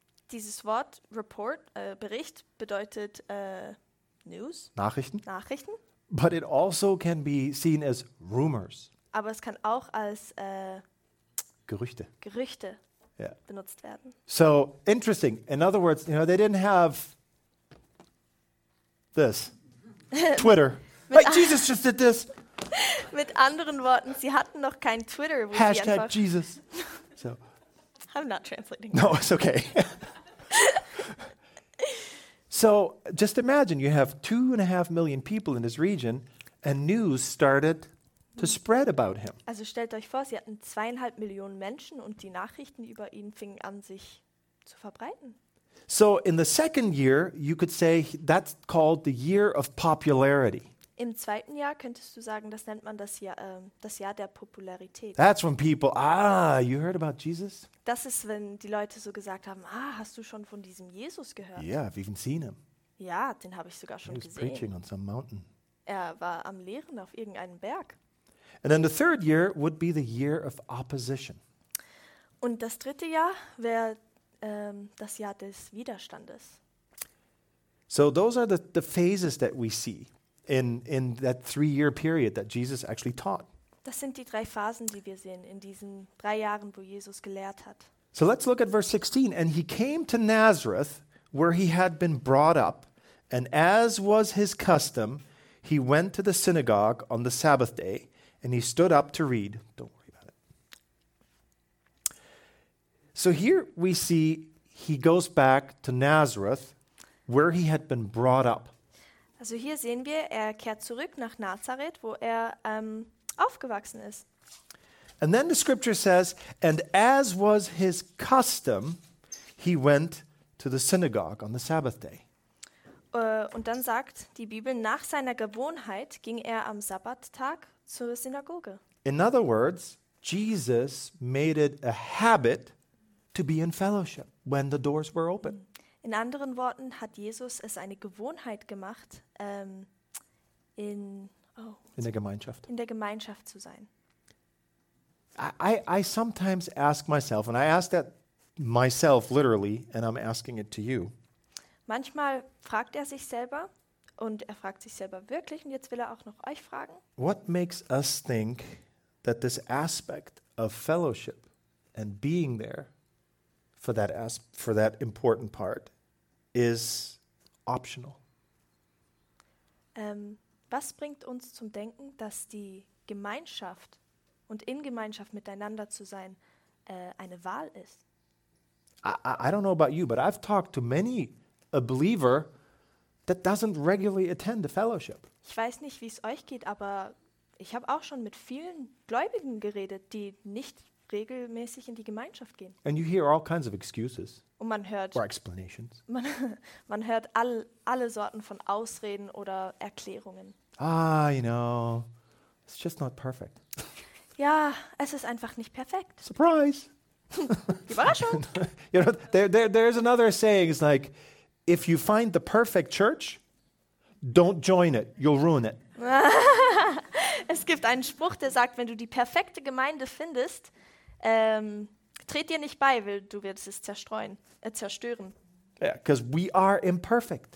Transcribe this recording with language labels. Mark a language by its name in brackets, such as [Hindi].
[German] Dieses Wort report, Bericht, bedeutet News. Nachrichten. [English] But it also can be seen as rumors. [German] Aber es kann auch als Gerüchte yeah. benutzt werden. [English] So, interesting. In other words, you know, they didn't have this. Twitter. Like Jesus just did this. [German] Mit anderen Worten, sie hatten noch kein Twitter. Wo Hashtag sie einfach [English] Jesus. So. I'm not translating. No, it's okay. So just imagine you have 2.5 million people in this region and news started to spread about him. [German] Also stellt euch vor, sie hatten 2.5 Millionen Menschen und die Nachrichten über ihn fingen an, sich zu verbreiten. [English] So in the second year, you could say that's called the year of popularity. [German] Im zweiten Jahr könntest du sagen, das nennt man das Jahr der Popularität. [English] That's when people, you heard about Jesus? [German] Das ist, wenn die Leute so gesagt haben, hast du schon von diesem Jesus gehört? [English] Yeah, I've even seen him. [German] Ja, den habe ich sogar schon gesehen. [English] He was preaching on some mountain. [German] Er war am Lehren auf irgendeinem Berg. [English] And then the third year would be the year of opposition. [German] Und das dritte Jahr wäre das Jahr des Widerstandes. [English] So those are the phases that we see in that 3 year period that Jesus actually taught. [German] Das sind die 3 Phasen, die wir sehen in diesen 3 Jahren, wo Jesus gelehrt hat. [English] So let's look at verse 16. And he came to Nazareth, where he had been brought up, and as was his custom, he went to the synagogue on the Sabbath day, and he stood up to read. Don't worry about it. So here we see he goes back to Nazareth, where he had been brought up. [German] Also hier sehen wir, er kehrt zurück nach Nazareth, wo er aufgewachsen ist. [English] And then the scripture says, and as was his custom, he went to the synagogue on the Sabbath day. [German] Und dann sagt die Bibel, nach seiner Gewohnheit ging er am Sabbattag zur Synagoge. [English] In other words, Jesus made it a habit to be in fellowship when the doors were open. [German] In anderen Worten hat Jesus es eine Gewohnheit gemacht, in der Gemeinschaft. In der Gemeinschaft zu sein. [English] I sometimes ask myself, and I ask that myself literally, and I'm asking it to you. [German] Manchmal fragt er sich selber und er fragt sich selber wirklich und jetzt will er auch noch euch fragen. [English] What makes us think that this aspect of fellowship and being there for that important part is optional? [German] Was bringt uns zum Denken, dass die Gemeinschaft und in Gemeinschaft miteinander zu sein eine Wahl ist? [English] I don't know about you, but I've talked to many a believer that doesn't regularly attend the fellowship. [German] Ich weiß nicht, wie es euch geht, aber ich habe auch schon mit vielen Gläubigen geredet, die nicht regelmäßig in die Gemeinschaft gehen. [English] And you hear all kinds of excuses. [German] Und man hört [English] or explanations. [German] Man hört alle Sorten von Ausreden oder Erklärungen. [English] Ah, you know, it's just not perfect. [German] Ja, es ist einfach nicht perfekt. [English] Surprise. [German] Überraschung. [English] You know, there is another saying, it's like, if you find the perfect church, don't join it, you'll ruin it. [German] Es gibt einen Spruch, der sagt, wenn du die perfekte Gemeinde findest, tret dir nicht bei, weil du wirst es zerstören. [English] Yeah, because we are imperfect.